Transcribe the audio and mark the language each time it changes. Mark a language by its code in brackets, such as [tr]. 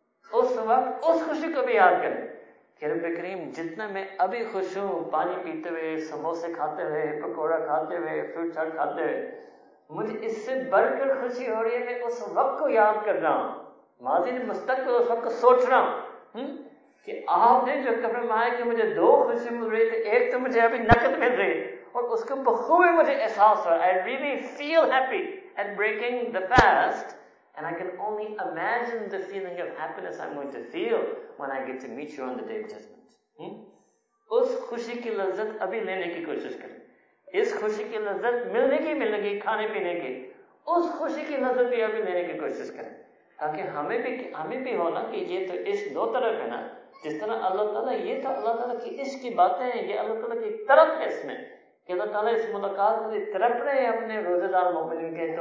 [ur] اس وقت اس خوشی کو بھی یاد کریں کہ رب کریم جتنا میں ابھی خوش ہوں پانی پیتے ہوئے, سموسے کھاتے ہوئے, پکوڑا کھاتے ہوئے, فروٹ چاٹ کھاتے ہوئے, مجھے اس سے بڑھ کر خوشی ہو رہی ہے, میں اس وقت کو یاد کر رہا ہوں, ماضی نے مستقبل اس وقت کو سوچ رہا ہوں کہ آپ نے جو کبھی مایا کہ مجھے دو خوشی مل رہی تھی, ایک تو مجھے ابھی نقد مل رہی اور اس کے بخوبی مجھے احساس ہو رہا. [en] I really feel happy at breaking the fast, and I can only imagine the feeling of happiness I am going to feel when I get to meet you on the day of judgment. [ur] اس خوشی کی لذت ابھی لینے کی کوشش کریں, اس خوشی کی لذت ملنے کی مل گئی کھانے پینے کی, اس خوشی کی لذت بھی ابھی لینے کی کوشش کریں, تاکہ ہمیں بھی ہونا کہ یہ تو عشق دو طرف ہے نا, جس طرح اللہ تعالیٰ, یہ تو اللہ تعالیٰ کی عشق کی باتیں ہیں, یہ اللہ تعالیٰ کی طرف ہے, اس میں کہ اللہ تعالیٰ اس ملاقات میں تڑپ رہے ہیں اپنے روزے دار مومنین کے.